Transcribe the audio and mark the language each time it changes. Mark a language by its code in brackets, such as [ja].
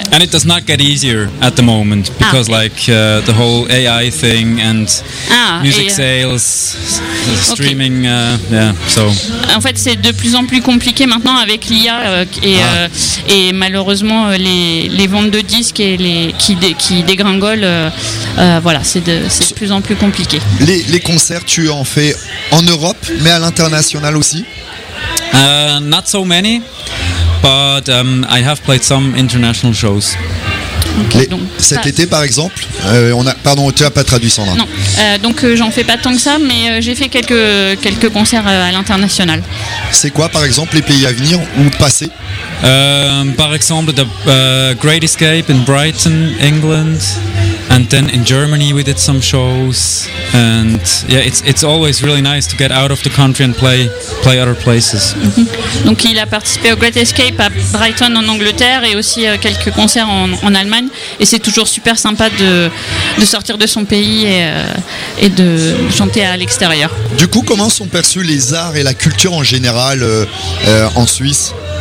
[en] And it does not get easier at the moment because the whole AI thing and music sales, streaming, so. [fr] En fait, c'est de plus en plus compliqué maintenant avec l'IA et malheureusement les ventes de disques et qui dégringolent. C'est de plus en plus compliqué. Les concerts, tu en fais en Europe, mais à l'international aussi? [en] Not so many. But I have played some international shows. [fr] Okay, cet été, par exemple, tu n'as pas traduit Sandra. Non, j'en fais pas tant que ça, mais j'ai fait quelques concerts à l'international. C'est quoi, par exemple, les pays à venir ou passés? Par exemple, [en] the Great Escape in Brighton, England, and then in Germany we did some shows. And yeah, it's always really nice to get out of the country and play other places. Mm-hmm. [fr] Donc il a participé au Great Escape à Brighton en Angleterre et aussi quelques concerts en Allemagne. Et c'est toujours super sympa de sortir de son pays et de chanter à l'extérieur. Du coup, comment sont perçus les arts et la culture en général en Suisse?